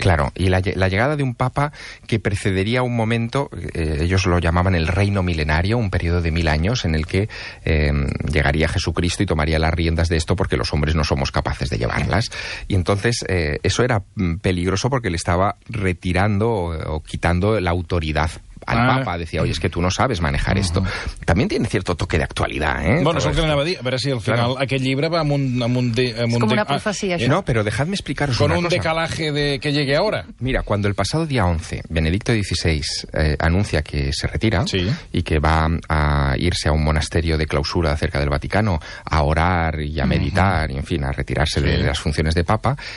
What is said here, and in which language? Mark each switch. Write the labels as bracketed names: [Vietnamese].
[Spanish] Claro, y la llegada de un papa que precedería un momento, ellos lo llamaban el reino milenario, un periodo de 1000 años en el que llegaría Jesucristo y tomaría las riendas de esto porque los hombres no somos capaces de llevarlas. Y entonces... eso era peligroso porque le estaba retirando o quitando la autoridad al Papa. Decía, oye, es que tú no sabes manejar esto. También tiene cierto toque de actualidad, ¿eh? Bueno, es lo que le [Catalan] anava a dir. A veure si al final aquest llibre va amb un [Spanish] es como una profecía, això. No, pero dejadme explicaros con una cosa. Con un decalaje de que llegue ahora. Mira, cuando el pasado día 11, Benedicto XVI anuncia que se retira y que va a irse a un monasterio de clausura cerca del Vaticano a orar y a meditar y, en fin, a retirarse de las funciones de Papa...